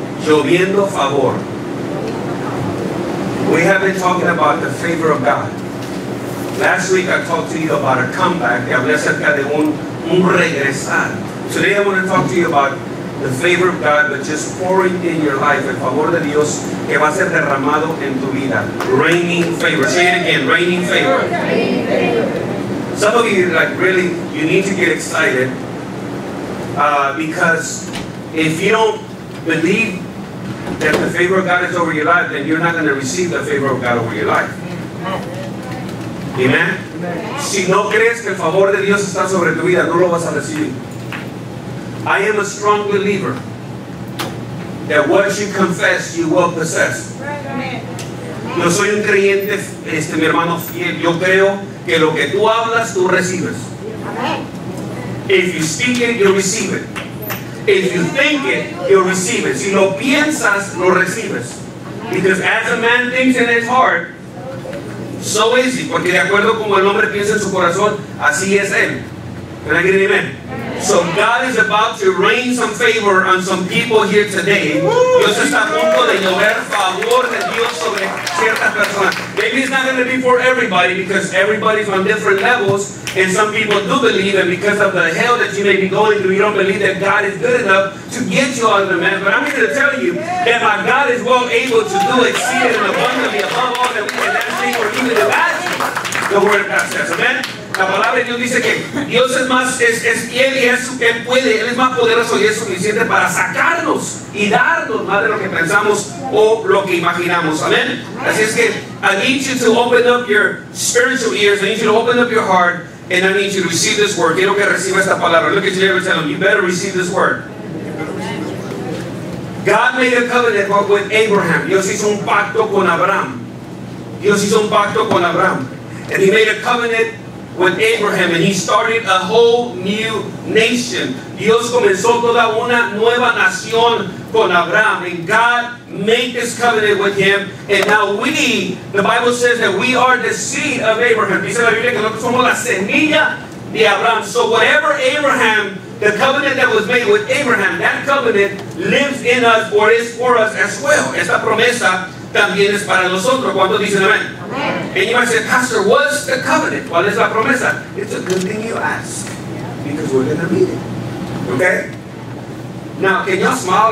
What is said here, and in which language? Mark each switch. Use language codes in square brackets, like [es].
[es] Lloviendo favor. [en] We have been talking about the favor of God. Last week I talked to you about a comeback. [es] Hablé acerca de un regresar. [en] Today I want to talk to you about the favor of God, but just pouring in your life. [es] El favor de Dios que va a ser derramado en tu vida. [en] Raining favor. Say it again. Raining favor. Some of you, like, really, you need to get excited. Because if you don't believe that the favor of God is over your life, then you're not going to receive the favor of God over your life. Amen? [es] Si no crees que el favor de Dios está sobre tu vida, no lo vas a recibir. [en] I am a strong believer that what you confess, you will possess. [es] Yo soy un creyente, mi hermano fiel. Yo creo que lo que tú hablas, tú recibes. [en] If you speak it, you receive it. If you think it, you receive it. [es] Si lo piensas, lo recibes. [en] Because as a man thinks in his heart, so is he. [es] Porque de acuerdo como el hombre piensa en su corazón, así es él. [en] Can I get an amen? So God is about to rain some favor on some people here today. [es] Dios está a punto de llover favor de Dios sobre ciertas personas. [en] Maybe it's not going to be for everybody because everybody's on different levels. And some people do believe, and because of the hell that you may be going through, you don't believe that God is good enough to get you out of the mess. But I'm here to tell you that my God is well able to do exceed and abundantly above all that we can ask or even imagine. The word of God says, amen. [es] La palabra de Dios dice que Dios es más, es fiel y es que puede, Él es más poderoso y es suficiente para sacarnos y darnos más de lo que pensamos o lo que imaginamos. Amén. Así es que [en] I need you to open up your spiritual ears, I need you to open up your heart, and I need you to receive this word. [es] Quiero que reciba esta palabra. [en] Look at you every time. You better receive this word. God made a covenant with Abraham. [es] Dios hizo un pacto con Abraham. [en] And He made a covenant with Abraham, and He started a whole new nation. [es] Dios comenzó toda una nueva nación con Abraham, [en] and God made this covenant with him. And now we, the Bible says that we are the seed of Abraham. [es] Dice la Biblia que nosotros somos la semilla de Abraham. [en] So whatever Abraham, the covenant that was made with Abraham, that covenant lives in us or is for us as well. [es] Esta promesa también es para nosotros. ¿Cuántos dicen amén? [en] And you might say, Pastor, what's the covenant? [es] ¿Cuál es la promesa? [en] It's a good thing you ask. Because we're going to meet it. Okay? Now, can y'all smile?